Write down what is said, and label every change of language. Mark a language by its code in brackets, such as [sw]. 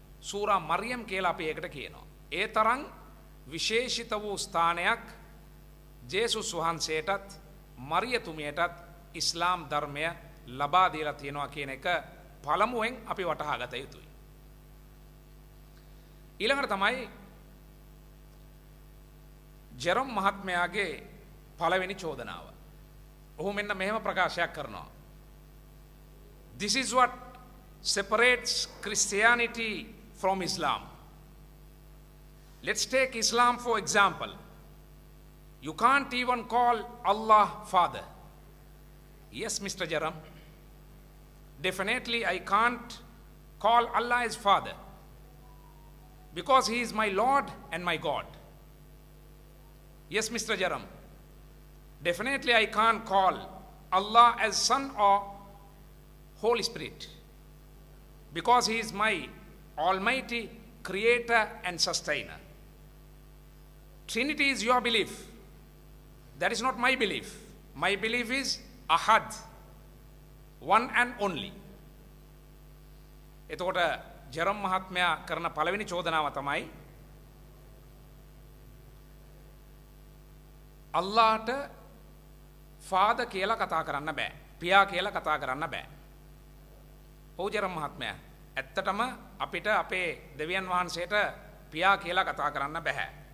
[si] සූරා මරියම් කියලා අපි ඒකට කියනවා. ඒ තරම් විශේෂිත වූ ස්ථානයක් ජේසුස් වහන්සේටත් මරියතුමියටත් ඉස්ලාම් ධර්මය ලබා දීලා තියෙනවා කියන එක පළමුවෙන් අපි වටහා ගත යුතුයි. ඊළඟට තමයි ජෙරම් මහත්මයාගේ පළවෙනි චෝදනාව. ඔහු මෙන්න මෙහෙම ප්‍රකාශයක් කරනවා. [en] This is what separates Christianity from Islam. Let's take Islam for example. You can't even call Allah Father. Yes, Mr. Jaram. Definitely I can't call Allah as Father. Because He is my Lord and my God. Yes, Mr. Jaram. Definitely I can't call Allah as Son or Holy Spirit. Because He is my Almighty Creator and Sustainer. Trinity is your belief. That is not my belief. My belief is Ahad, one and only. [si] එතකොට Jerome මහත්මයා කරන පළවෙනි චෝදනාව තමයි අල්ලාහට father කියලා කතා කරන්න බෑ, පියා කියලා කතා කරන්න බෑ. ඔව් ජෙරම් මහත්මයා, ඇත්තටම අපිට අපේ දෙවියන් වහන්සේට පියා කියලා කතා කරන්න බෑ.